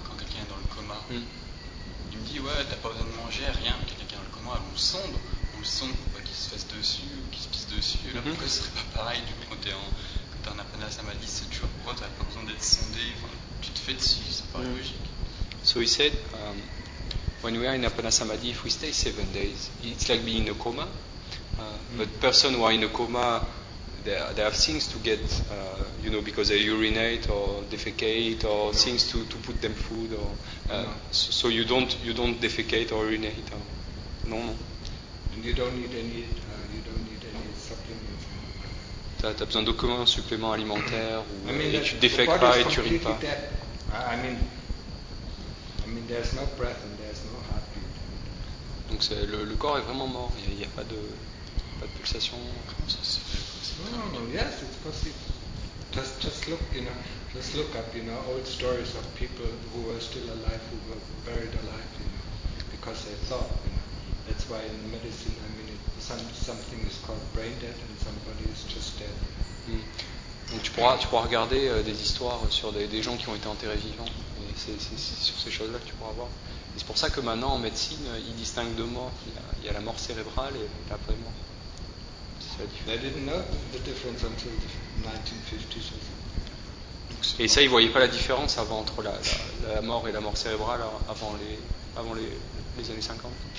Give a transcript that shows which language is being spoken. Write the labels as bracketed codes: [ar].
[fr] Quand quelqu'un est dans le coma, il me dit, ouais, t'as pas besoin de manger, rien, quelqu'un est dans le coma, on le sonde. Pour qu'il se fasse dessus ou qu'il se pisse dessus. Et là, pourquoi ce serait pas pareil du coup quand t'es en Apanasamadhi, c'est toujours pourquoi t'as pas besoin d'être sondé, enfin, tu te fais dessus, ça paraît logique. [en] So he said, when we are in Apanasamadhi, if we stay 7 days, it's like being in a coma. But persons who are in a coma, they have things to get, you know, because they urinate or defecate or things to put them food. Or, so you don't defecate or urinate. [fr] Non. [en] And you don't need any supplements. [fr] T'as besoin d'aucun supplément alimentaire ou tu défèques pas et tu rites pas. [en] I mean there's no breath and there's no heartbeat. [fr] Donc c'est le corps est vraiment mort, il y a pas de pulsation. Comment ça se fait? [en] No, yes, it's possible. Just look up, old stories of people who were still alive, who were buried alive, you know, because they thought. That's why in medicine, I mean, something is called brain dead and somebody is just dead. [fr] Donc tu pourras regarder des histoires sur des gens qui ont été enterrés vivants. Et c'est sur ces choses-là que tu pourras voir. Et c'est pour ça que maintenant, en médecine, ils distinguent deux morts. Il y a la mort cérébrale et l'après mort. C'est la différence. [en] They didn't know the difference until the 1950s or something. [fr] Et ça, ils ne voyaient pas la différence avant, entre la mort et la mort cérébrale avant les années 50.